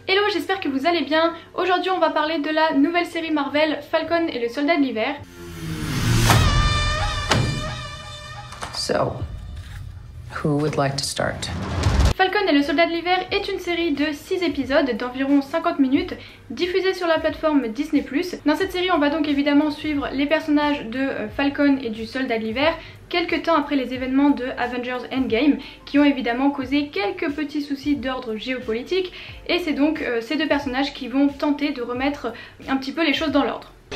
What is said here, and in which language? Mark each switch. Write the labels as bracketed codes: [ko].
[fr] Hello, j'espère que vous allez bien. Aujourd'hui, on va parler de la nouvelle série Marvel, Falcon et le Soldat de l'Hiver. [en] So, who would like to start? [fr] Falcon et le Soldat de l'Hiver est une série de 6 épisodes d'environ 50 minutes diffusée sur la plateforme Disney+. Dans cette série, on va donc évidemment suivre les personnages de Falcon et du Soldat de l'Hiver quelques temps après les événements de Avengers Endgame qui ont évidemment causé quelques petits soucis d'ordre géopolitique et c'est donc ces deux personnages qui vont tenter de remettre un petit peu les choses dans l'ordre.